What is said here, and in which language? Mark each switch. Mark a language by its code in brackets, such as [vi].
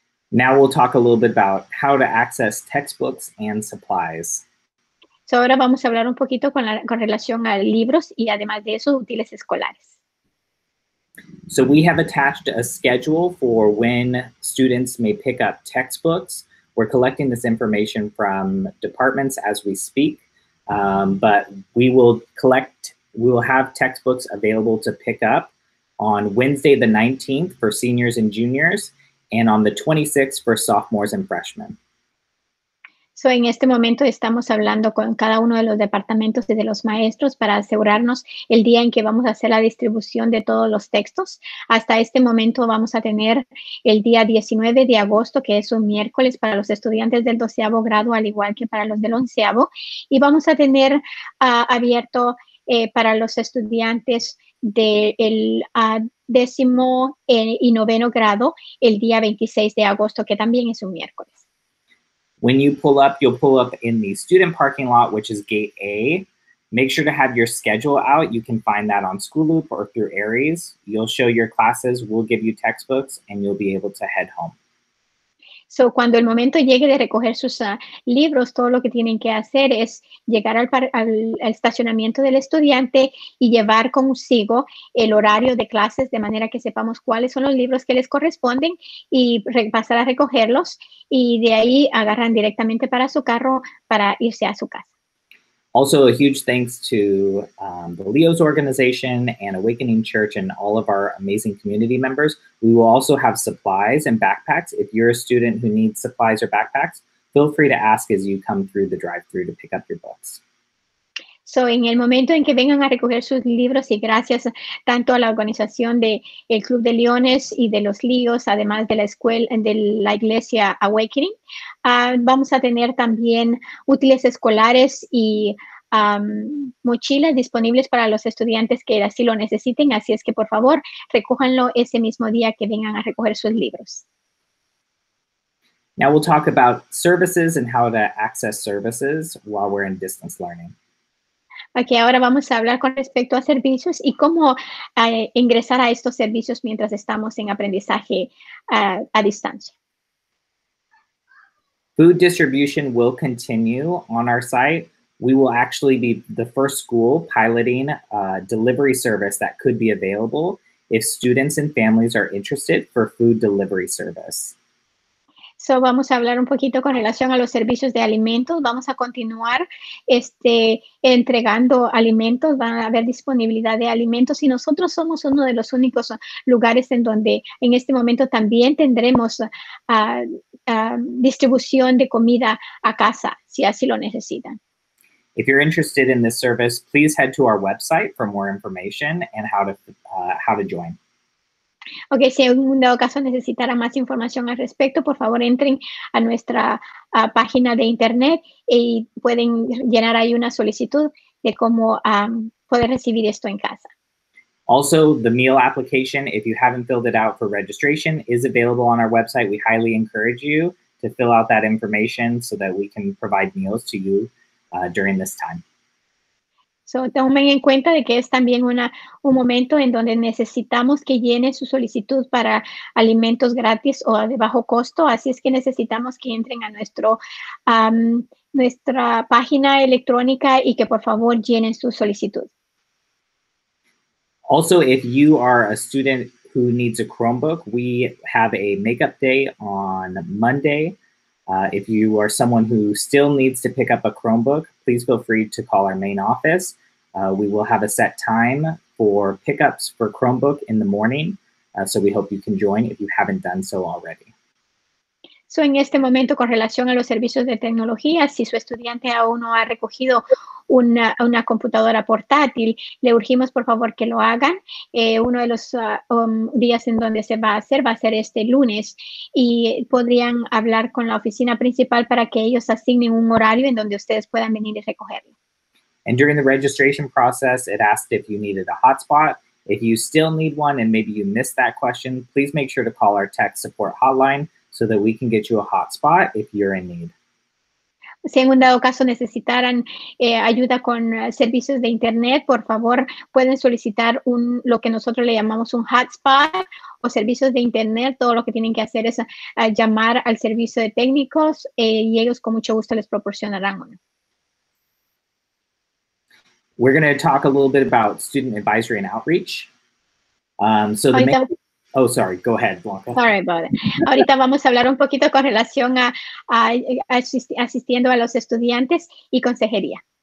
[en] Now we'll talk a little bit about how to access textbooks and supplies. [es] So ahora vamos a hablar un poquito con relación a libros y además de eso, útiles escolares. [en] So we have attached a schedule for when students may pick up textbooks. We're collecting this information from departments as we speak, but we will have textbooks available to pick up on Wednesday the 19th for seniors and juniors, and on the 26th for sophomores and freshmen. [es] So en este momento estamos hablando con cada uno de los departamentos y de los maestros para asegurarnos el día en que vamos a hacer la distribución de todos los textos. Hasta este momento vamos a tener el día 19 de agosto, que es un miércoles para los estudiantes del 12º grado, al igual que para los del 11º. Y vamos a tener abierto para los estudiantes del décimo y noveno grado el día 26 de agosto, que también es un miércoles. [en] When you pull up, you'll pull up in the student parking lot, which is gate A. Make sure to have your schedule out. You can find that on School Loop or through Aries. You'll show your classes, we'll give you textbooks, and you'll be able to head home. [es] So cuando el momento llegue de recoger sus libros, todo lo que tienen que hacer es llegar al estacionamiento del estudiante y llevar consigo el horario de clases, de manera que sepamos cuáles son los libros que les corresponden y pasar a recogerlos. Y de ahí agarran directamente para su carro para irse a su casa. [en] Also, a huge thanks to the Leo's organization and Awakening Church and all of our amazing community members. We will also have supplies and backpacks. If you're a student who needs supplies or backpacks, feel free to ask as you come through the drive-through to pick up your books. [es] So, en el momento en que vengan a recoger sus libros, y gracias tanto a la organización del Club de Leones y de los Leos, además de la escuela, de la iglesia Awakening, vamos a tener también útiles escolares y mochilas disponibles para los estudiantes que así lo necesiten. Así es que, por favor, recójanlo ese mismo día que vengan a recoger sus libros. [en] Now we'll talk about services and how to access services while we're in distance learning. [es] Okay, ahora vamos a hablar con respecto a servicios y cómo ingresar a estos servicios mientras estamos en aprendizaje a distancia. [en] Food distribution will continue on our site. We will actually be the first school piloting a delivery service that could be available if students and families are interested for food delivery service. [es] So vamos a hablar un poquito con relación a los servicios de alimentos. Vamos a continuar entregando alimentos. Van a haber disponibilidad de alimentos. Y nosotros somos uno de los únicos lugares en donde en este momento también tendremos distribución de comida a casa, si así lo necesitan. [en] If you're interested in this service, please head to our website for more information and how to join. [es] Okay, si en dado caso necesitara más información al respecto, por favor entren a nuestra página de internet y pueden llenar ahí una solicitud de cómo poder recibir esto en casa. [en] Also, the meal application, if you haven't filled it out for registration, is available on our website. We highly encourage you to fill out that information so that we can provide meals to you during this time. [es] So, tomen en cuenta de que es también un momento en donde necesitamos que llene su solicitud para alimentos gratis o de bajo costo. Así es que necesitamos que entren a nuestra página electrónica y que por favor llenen su solicitud. [en] Also, if you are a student who needs a Chromebook, we have a makeup day on Monday. If you are someone who still needs to pick up a Chromebook, please feel free to call our main office. We will have a set time for pickups for Chromebook in the morning, so we hope you can join if you haven't done so already. [es] So en este momento, con relación a los servicios de tecnología, si su estudiante aún no ha recogido una computadora portátil, le urgimos por favor que lo hagan. Uno de los días en donde se va a ser este lunes, y podrían hablar con la oficina principal para que ellos asignen un horario en donde ustedes puedan venir y recogerlo. [en] And during the registration process, it asked if you needed a hotspot. If you still need one and maybe you missed that question, please make sure to call our tech support hotline so that we can get you a hotspot if you're in need. [es] Si en un dado caso necesitaran ayuda con servicios de internet, por favor, pueden solicitar un lo que nosotros le llamamos un hotspot o servicios de internet. Todo lo que tienen que hacer es llamar al servicio de técnicos y ellos con mucho gusto les proporcionarán uno. [en] We're going to talk a little bit about student advisory and outreach. So the main, oh, sorry, go ahead, Blanca. Sorry about it. [es] Ahorita vamos a hablar un poquito con relación a asistiendo a los estudiantes y consejería.